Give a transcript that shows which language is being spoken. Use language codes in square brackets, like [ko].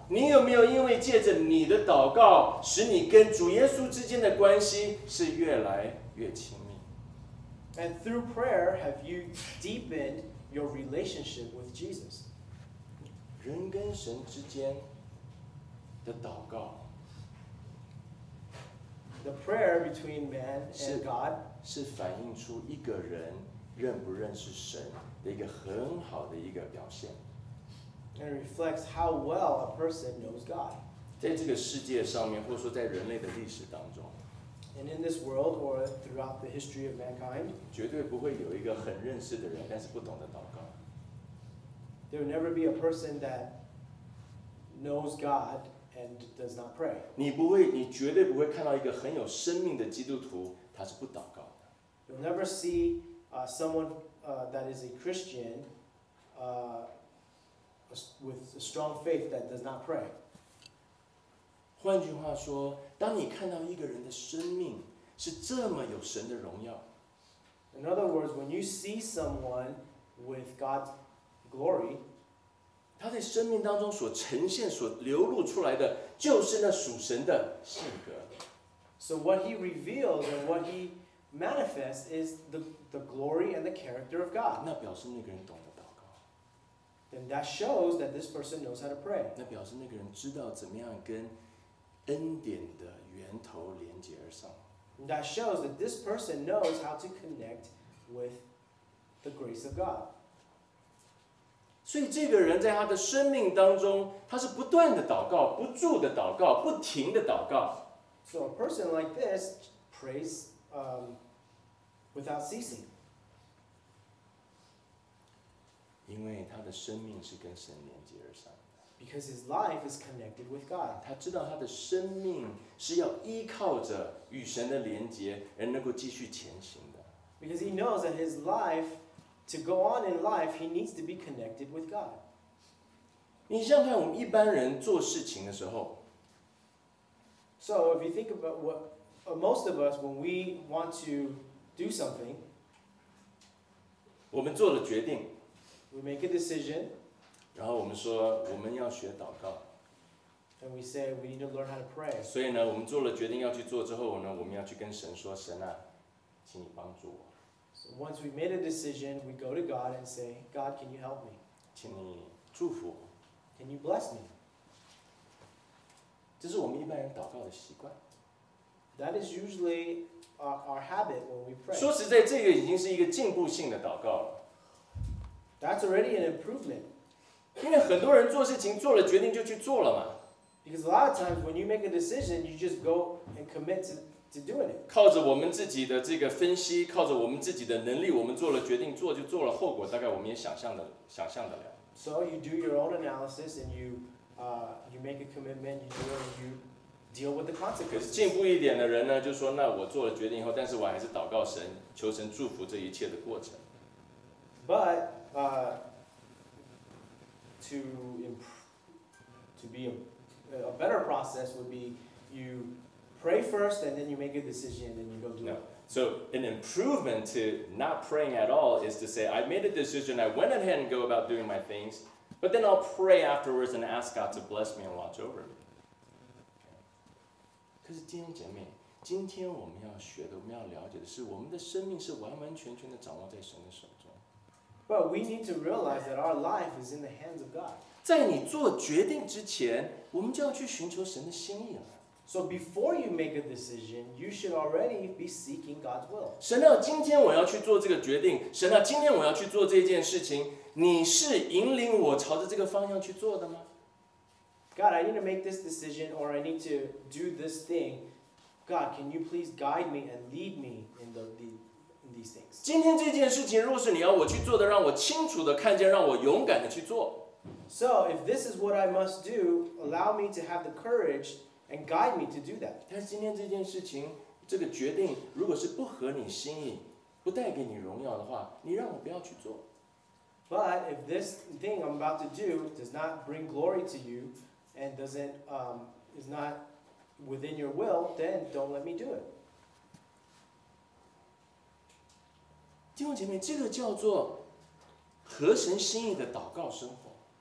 [zh] 你有没有因为借着你的祷告，使你跟主耶稣之间的关系是越来越亲密？ [en] And through prayer, have you deepened your relationship with Jesus? [zh] 人跟神之间的祷告， [en] the prayer between man and God [zh] 是反映出一个人认不认识神的一个很好的一个表现。 [en] And it reflects how well a person knows God. [zh] 在这个世界上面，或者说在人类的历史当中。 [en] And in this world or throughout the history of mankind. [zh] 绝对不会有一个很认识的人，但是不懂得祷告。 [en] There will never be a person that knows God and does not pray. [zh] 你绝对不会看到一个很有生命的基督徒，他是不祷告的。 [en] You'll never see someone that is a Christian with a strong faith that does not pray. [zh] 换句话说，当你看到一个人的生命是这么有神的荣耀。 [en] In other words, when you see someone with God's glory, [zh] 他在生命当中所呈现、所流露出来的就是那属神的性格。 [en] So what he reveals and what he manifest is the glory and the character of God. [zh] 那表示那个人懂得祷告。 [en] Then that shows that this person knows how to pray. [zh] 那表示那个人知道怎么样跟恩典的源头连接而上。 [en] That shows that this person knows how to connect with the grace of God. [zh] 所以这个人在他的生命当中，他是不断的祷告，不住的祷告，不停的祷告。 [en] So a person like this prays without ceasing. [zh] 因为他的生命是跟神连接而上。 [en] Because his life is connected with God. [zh] 他知道他的生命是要依靠着与神的连接而能够继续前行的。 [en] Because he knows that his life, to go on in life, he needs to be connected with God. [zh] 你想看我们一般人做事情的时候。 [en] So if you think about what most of us, when we want to do something, [zh] 我们做了决定， [en] we make a decision, [zh] 然后我们说我们要学祷告， [en] and we say we need to learn how to pray. [zh] 所以呢，我们做了决定要去做之后呢，我们要去跟神说，神啊，请你帮助我。 [en] So once we made a decision, we go to God and say, God, can you help me? [zh] 请你祝福我。 [en] Can you bless me? [zh] 这是我们一般人祷告的习惯。 [en] That is usually our habit when we pray. [zh] 说实在，这个已经是一个进步性的祷告了。 [en] That's already an improvement. [zh] 因为很多人做事情做了决定就去做了嘛。 [en] Because a lot of times when you make a decision, you just go and commit to doing it. [zh] 靠着我们自己的这个分析，靠着我们自己的能力，我们做了决定，做就做了，后果大概我们也想象得了。 [en] So you do your own analysis and you make a commitment, you do it, and you deal with the consequences. [zh] 可是进步一点的人呢，就说那我做了决定以后，但是我还是祷告神，求神祝福这一切的过程。 [en] But to be a better process would be you pray first and then you make a decision and then you go do it. No. So an improvement to not praying at all is to say I made a decision, I went ahead and go about doing my things, but then I'll pray afterwards and ask God to bless me and watch over me. [zh] 可是弟兄姐妹，今天我们要学的，我们要了解的是，我们的生命是完完全全的掌握在神的手中。 [en] But we need to realize that our life is in the hands of God. [zh] 在你做决定之前，我们就要去寻求神的心意了。 [en] So before you make a decision, you should already be seeking God's will. [zh] 神啊，今天我要去做这个决定。神啊，今天我要去做这件事情。你是引领我朝着这个方向去做的吗？ [en] God, I need to make this decision, or I need to do this thing. God, can you please guide me and lead me in these things? [zh] 今天这件事情，若是你要我去做的，让我清楚的看见，让我勇敢的去做。 [en] So if this is what I must do, allow me to have the courage. And guide me to do that. [zh] 但是今天这件事情，这个决定，如果是不合你心意，不带给你荣耀的话，你让我不要去做。 [en] But if this thing I'm about to do does not bring glory to you, and doesn't is not within your will, then don't let me do it. [zh] 弟兄姐妹，这个叫做合神心意的祷告生活。